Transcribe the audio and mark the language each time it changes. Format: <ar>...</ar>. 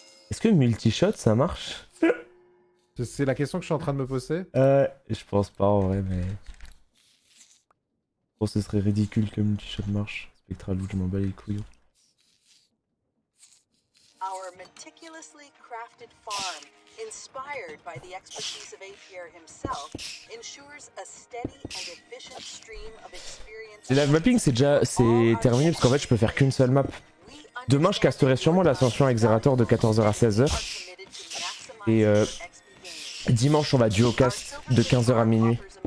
<fr>Est-ce que multishot ça marche? C'est la question que je suis en train de me poser. Je pense pas en vrai, mais. Je pense que ce serait ridicule que multishot marche. Spectral loot, je m'en bats les couilles.</fr> <en>Our meticulously crafted farm, inspired by the expertise of APR himself, ensures a steady and efficient stream of experience.</en> <fr>Le live mapping c'est terminé parce qu'en fait je peux faire qu'une seule map. Demain, je casterai sûrement l'ascension avec Zerator de 14h à 16h. Et dimanche, on va duo cast de 15h à minuit.</fr>